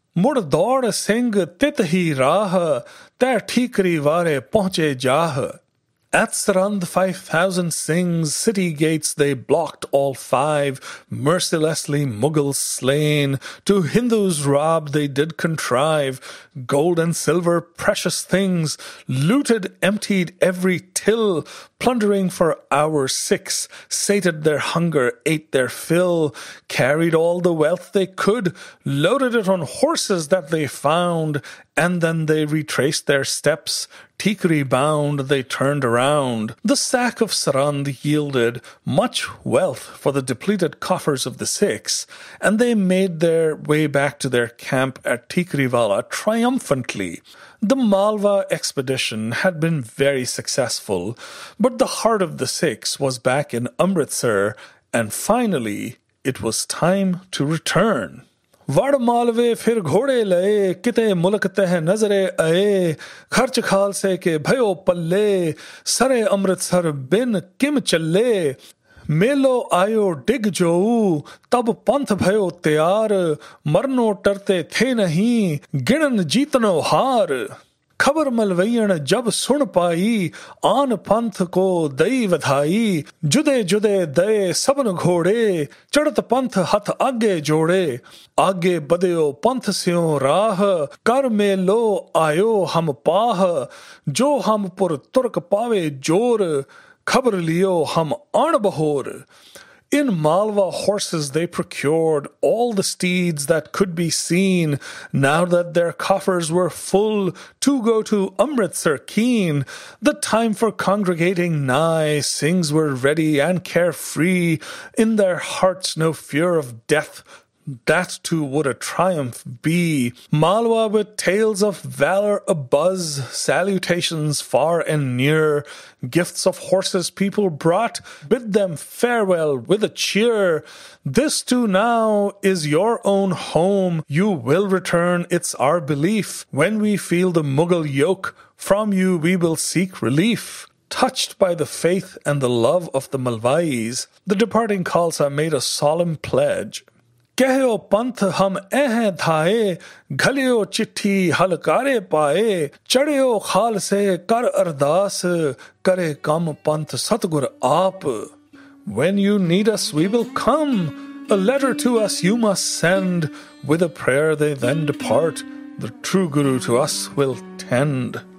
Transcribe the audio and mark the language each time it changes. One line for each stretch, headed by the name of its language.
Punjabi: ਮੁੜ ਦੌੜ ਸਿੰਘ ਤਿਤ ਹੀ ਰਾਹ ਤੈ ਠੀਕਰੀ ਵਾਰੇ ਪਹੁੰਚੇ ਜਾਹ
English: At Sarand, 5,000 Sikhs, city gates they blocked all five, mercilessly Mughals slain. To Hindus rob they did contrive, gold and silver precious things, looted, emptied every till, plundering for hours Sikhs, sated their hunger, ate their fill, carried all the wealth they could, loaded it on horses that they found, and then they retraced their steps, Tikri bound, they turned around. The sack of Sarand yielded much wealth for the depleted coffers of the Sikhs, and they made their way back to their camp at Tikriwala triumphantly. The Malwa expedition had been very successful, but the heart of the Sikhs was back in Amritsar, and finally, it was time to return.
Punjabi: ਵੜ ਮਾਲਵੇ ਫਿਰ ਘੋੜੇ ਲਏ ਕਿਤੇ ਮੁਲਕ ਤਹਿ ਨਜ਼ਰੇ ਆਏ ਖਰਚ ਖਾਲਸੇ ਕੇ ਭਯੋ ਪੱਲੇ ਸਰੇ ਅੰਮ੍ਰਿਤਸਰ ਬਿਨ ਕਿਮ ਚੱਲੇ ਮੇਲੋ ਆਇਓ ਡਿੱਗ ਜੋ ਤਬ ਪੰਥ ਭਯੋ ਤਿਆਰ ਮਰਨੋ ਟਰਤੇ ਥੇ ਨਹੀਂ ਗਿਣਨ ਜੀਤਨੋ ਹਾਰ ਖਬਰ ਮਲਵਈਣ ਜਬ ਸੁਣ ਪਾਈ ਆਨ ਪੰਥ ਕੋ ਦਈ ਵਧਾਈ ਜੁਦੇ ਜੁਦੇ ਦਏ ਸਭਨ ਘੋੜੇ ਚੜਤ ਪੰਥ ਹੱਥ ਅੱਗੇ ਜੋੜੇ ਆਗੇ ਬਦਿਓ ਪੰਥ ਸਿਓ ਰਾਹ ਕਰ ਮੇਲੋ ਆਇਓ ਹਮ ਪਾਹ ਜੋ ਹਮ ਪੁਰ ਤੁਰਕ ਪਾਵੇ ਜੋਰ ਖਬਰ ਲਿਓ ਹਮ ਆਣ ਬਹੋਰ
English: In Malwa horses they procured all the steeds that could be seen. Now that their coffers were full to go to Amritsar keen, the time for congregating nigh, Sikhs were ready and carefree, in their hearts no fear of death. That too would a triumph be. Malwa with tales of valor abuzz, salutations far and near, gifts of horses people brought, bid them farewell with a cheer. This too now is your own home. You will return, it's our belief. When we feel the Mughal yoke, from you we will seek relief. Touched by the faith and the love of the Malwais, the departing Khalsa made a solemn pledge.
Punjabi: ਕਹਿਓ ਪੰਥ ਹਮ ਐਹ ਥਾਏ ਘਲਿਓ ਚਿੱਠੀ ਹਲਕਾਰੇ ਪਾਏ ਚੜਿਓ ਖਾਲਸੇ ਕਰ ਅਰਦਾਸ ਕਰੇ ਕੰਮ ਪੰਥ ਸਤਗੁਰ ਆਪ
English: when you need us we will come a letter to us you must send with a prayer they then depart the true guru to us will tend